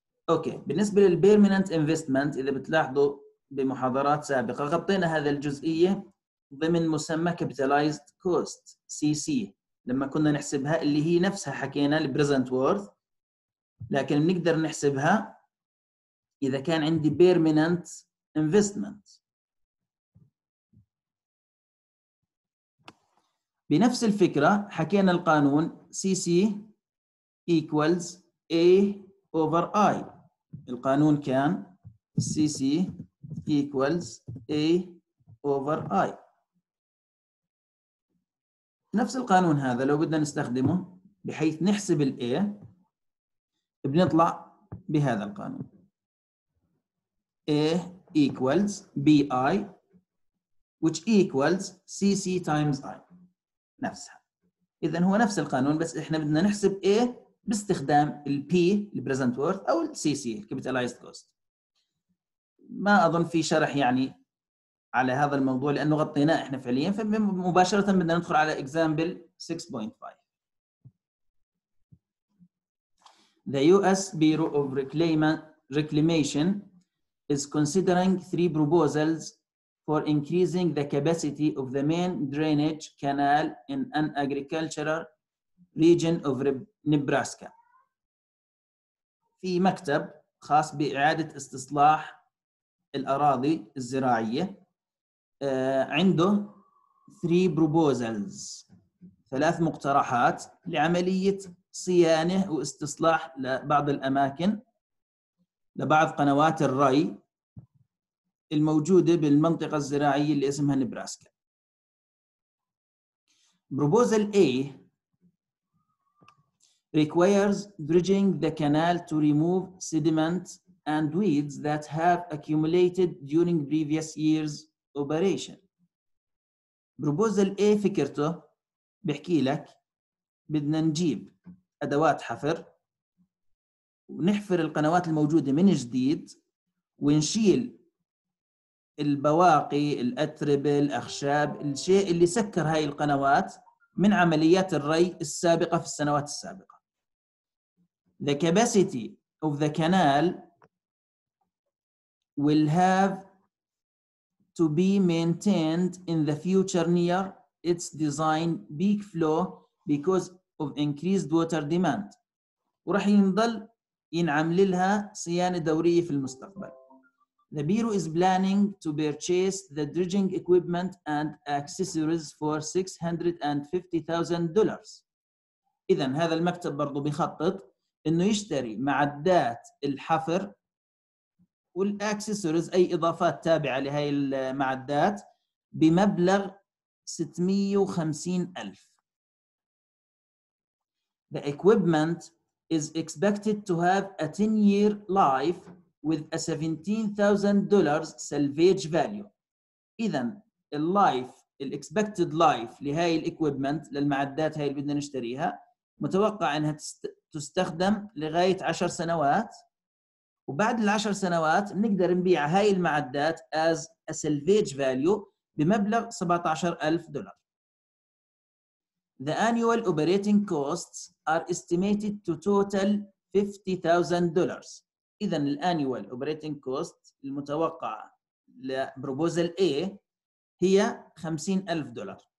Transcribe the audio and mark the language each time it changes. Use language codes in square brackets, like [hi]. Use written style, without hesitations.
[ar] اوكي، بالنسبه للبيرمننت انفستمنت اذا بتلاحظوا بمحاضرات سابقة غطينا هذا الجزئية ضمن مسمى capitalized cost CC لما كنا نحسبها اللي هي نفسها حكينا present worth، لكن بنقدر نحسبها إذا كان عندي permanent investment. بنفس الفكرة حكينا القانون [en] CC equals A over I. [ar] القانون كان [en] CC equals A over I. [ar] نفس القانون هذا لو بدنا نستخدمه بحيث نحسب الـ A بنطلع بهذا القانون. [en] A equals BI which equals CC times I. [ar] نفسها. إذن هو نفس القانون بس إحنا بدنا نحسب A باستخدام الـ P الـ present worth أو الـ CC capitalized cost. ما أظن في شرح يعني على هذا الموضوع لأنه غطيناه إحنا فعلياً، فمباشرة بدنا ندخل على example 6.5. [en] The U.S. Bureau of Reclamation is considering three proposals for increasing the capacity of the main drainage canal in an agricultural region of Nebraska. [ar] في مكتب خاص بإعادة استصلاح الأراضي الزراعية عنده 3 proposals، 3 مقترحات لعملية صيانة واستصلاح لبعض الأماكن لبعض قنوات الري الموجودة بالمنطقة الزراعية اللي اسمها نبراسكا. [en] Proposal A requires dredging the canal to remove sediment and weeds that have accumulated during previous years operation. [ar] Proposal A فكرته بحكي لك بدنا نجيب أدوات حفر ونحفر القنوات الموجودة من جديد ونشيل البواقي الأتربة الأخشاب الشيء اللي سكر هاي القنوات من عمليات الري السابقة في السنوات السابقة. [en] The capacity of the canal will have to be maintained in the future near its design peak flow because of increased water demand. [ar] ورح ينضل ينعمل لها صيانة دورية في المستقبل. [en] The Bureau is planning to purchase the dredging equipment and accessories for $650,000. [ar] إذن هذا المكتب برضو بيخطط إنه يشتري معدات الحفر والأكسسوارز أي إضافات تابعة لهاي المعدات بمبلغ 650,000. [en] The equipment is expected to have a 10-year life with a $17,000 salvage value. [ar] إذن الـ life, الـ expected life لهاي الـ equipment للمعدات هاي اللي بدنا نشتريها متوقع أنها تستخدم لغاية 10 سنوات. وبعد العشر سنوات نقدر نبيع هاي المعدات [en] as a salvage value [ar] بمبلغ $17,000. [en] The annual operating costs are estimated to total $50,000. [ar] إذن الـ annual operating cost المتوقع لـ proposal A هي $50,000.